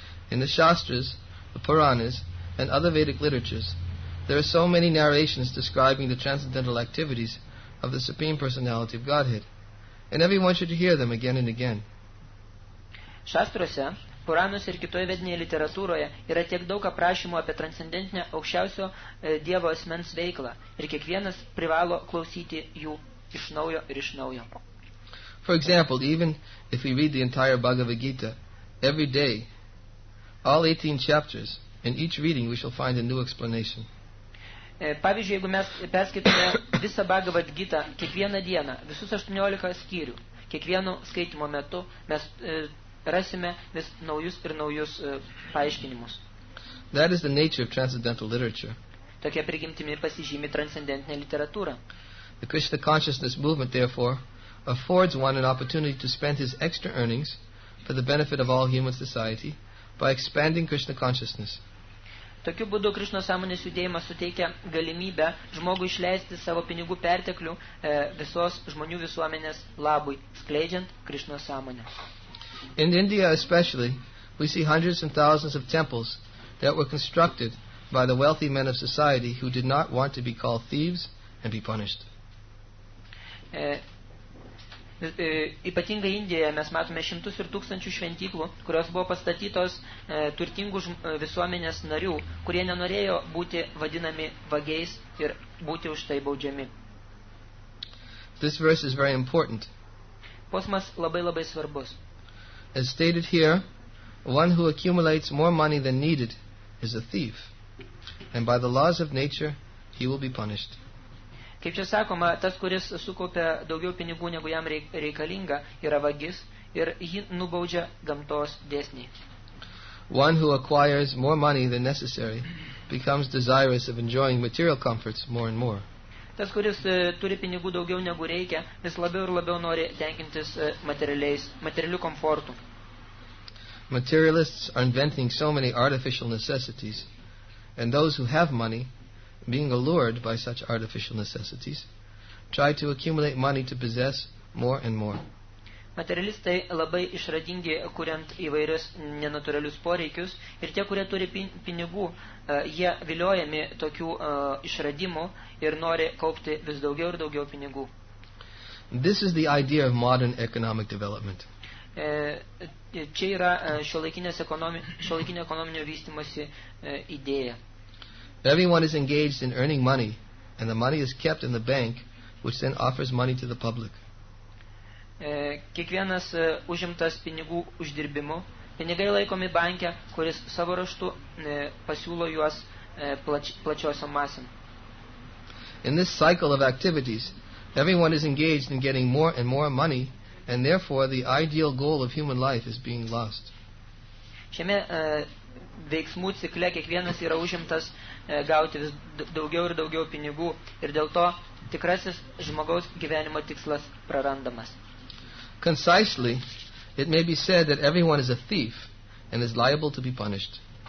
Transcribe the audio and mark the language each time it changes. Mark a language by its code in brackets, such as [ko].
[en] In the Shastras, the Puranas, and other Vedic literatures, there are so many narrations describing the transcendental activities of the Supreme Personality of Godhead, and everyone should hear them again and again. [lt] Shastrose, Puranose ir kitoje vedinėje literatūroje yra tiek daug aprašymų apie transcendentinę aukščiausio Dievo asmens veiklą, ir kiekvienas privalo klausyti jų iš naujo ir iš naujo. [en] For example, even if we read the entire Bhagavad Gita every day, all 18 chapters, in each reading we shall find a new explanation. [lt] Pavyzdžiui, jeigu mes perskaitome visą Bhagavad Gita kiekvieną dieną, visus 18 skyrių, kiekvieno skaitimo metu mes rasime vis naujus ir naujus paaiškinimus. [en] That is the nature of transcendental literature. [lt] Tokia prigimtimi pasižymi transcendentinė literatūra. [en] The Krishna consciousness movement, therefore, affords one an opportunity to spend his extra earnings for the benefit of all human society by expanding Krishna consciousness. [lt] Tokiu būdu Krishna sąmonės judėjimas suteikia galimybę žmogui išleisti savo pinigų perteklių visos žmonių visuomenės labui, skleidžiant Krishna sąmonę. [en] In India especially, we see hundreds and thousands of temples that were constructed by the wealthy men of society who did not want to be called thieves and be punished. [lt] Ypatingai Indijoje mes matome šimtus ir tūkstančių šventyklų, kurios buvo pastatytos turtingų visuomenės narių, kurie nenorėjo būti vadinami vagiais ir būti už tai baudžiami. [en] This verse is very important. [lt] Posmas labai labai svarbus. [en] As stated here, one who accumulates more money than needed is a thief, and by the laws of nature he will be punished. [lt] Kaip čia sakoma, tas, kuris sukaupia daugiau pinigų, negu jam reikalinga, yra vagis ir jį nubaudžia gamtos dėsniai. [en] One who acquires more money than necessary becomes desirous of enjoying material comforts more and more. [lt] Tas, kuris turi pinigų daugiau negu reikia, vis labiau ir labiau nori tenkintis materialių komfortų. [en] Materialists are inventing so many artificial necessities, and those who have money, being allured by such artificial necessities, try to accumulate money to possess more and more. [lt] Materialistai labai išradingi, kuriant įvairius nenatūralius poreikius, ir tie, kurie turi pinigų, jie viliojami tokių išradimų ir nori kaupti vis daugiau ir daugiau pinigų. [en] This is the idea of modern economic development. [lt] Čia yra šiuolaikinio ekonominio vystymosi idėja. [en] Everyone is engaged in earning money, and the money is kept in the bank, which then offers money to the public. [lt] Kiekvienas užimtas pinigų uždirbimu, pinigai laikomi banke, kuris savo raštu pasiūlo juos plačiosiam masam. [en] In this cycle of activities, everyone is engaged in getting more and more money, and therefore the ideal goal of human life is being lost. [lt] Šiame veiksmų cikle kiekvienas yra užimtas gauti vis daugiau ir daugiau pinigų, ir dėl to tikrasis žmogaus gyvenimo tikslas prarandamas. [en] Concisely, it may be said that everyone is a thief and is liable to be punished.